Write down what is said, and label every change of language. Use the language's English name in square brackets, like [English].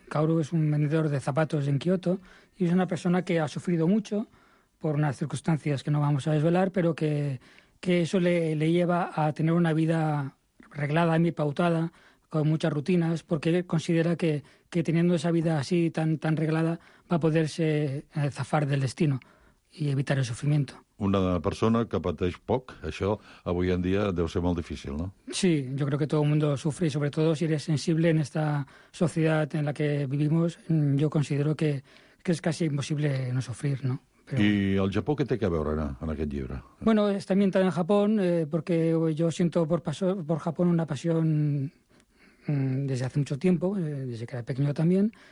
[Spanish] Kaoru es un vendedor de zapatos en Kioto y es una persona que ha sufrido mucho por unas circunstancias que no vamos a desvelar, pero que eso le lleva a tener una vida reglada y pautada, con muchas rutinas, porque él considera que teniendo esa vida así, tan reglada, va a poderse zafar del destino y evitar el sufrimiento. [Catalan] Una persona que pateix poc, això avui en dia deu ser molt difícil, no? [Spanish] Sí, yo creo que todo el mundo sufre, y sobre todo si eres sensible en esta sociedad en la que vivimos, yo considero que es casi imposible no sufrir, ¿no? [Catalan] Però... I el Japó, què té a veure en aquest llibre? [Spanish] Bueno, está ambientado en Japón, porque yo siento por Japón una pasión desde hace mucho tiempo, desde que era pequeño también.